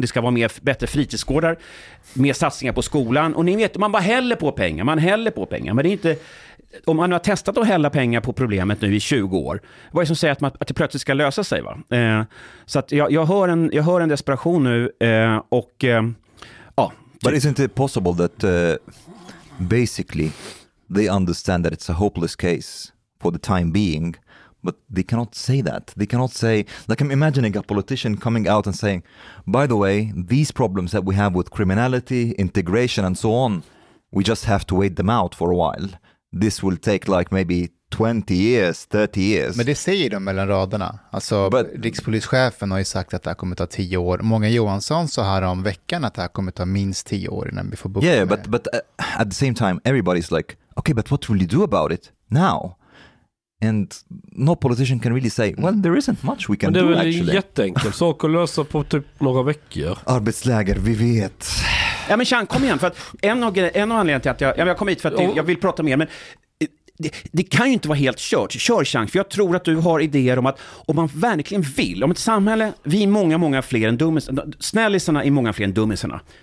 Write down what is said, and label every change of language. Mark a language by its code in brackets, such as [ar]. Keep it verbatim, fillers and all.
[sv] Det ska vara mer, bättre fritidsgårdar, mer satsningar på skolan. Och ni vet, man bara häller på pengar, man häller på pengar. Men det är inte, om man har testat att hälla pengar på problemet nu i tjugo år, vad är det som säger att, man, att det plötsligt ska lösa sig? Va? Eh, så att jag, jag, hör en, jag hör en desperation nu eh, och eh, ja. [en] But isn't it possible that uh, basically they understand that it's a hopeless case for the time being? But they cannot say that. They cannot say, like I'm imagining a politician coming out and saying, by the way, these problems that we have with criminality, integration and so on, we just have to wait them out for a while. This will take like maybe twenty years, thirty years. [sv] Men det säger de mellan raderna. Alltså But, rikspolischefen har ju sagt att det här kommer ta tio år. Många Johansson så här om veckan att det här kommer ta minst tio år innan vi får bukt [en] yeah, [sv] med [en] but, but uh, at the same time everybody's like, okay, but what will you do about it now? And no politician can really say, well, there isn't much we can do actually. [sv] Men det är väl en jätteenkel sak att lösa på typ några veckor. Arbetsläger, vi vet. Ja, men Chan, kom igen. För att en av, en av anledningarna till att jag, jag kom hit för att jag vill prata mer, men det, det kan ju inte vara helt kört. Kör, Chan, för jag tror att du har idéer om att om man verkligen vill, om ett samhälle, vi är många, många fler än dummisarna, snällisarna är många fler än dummisarna.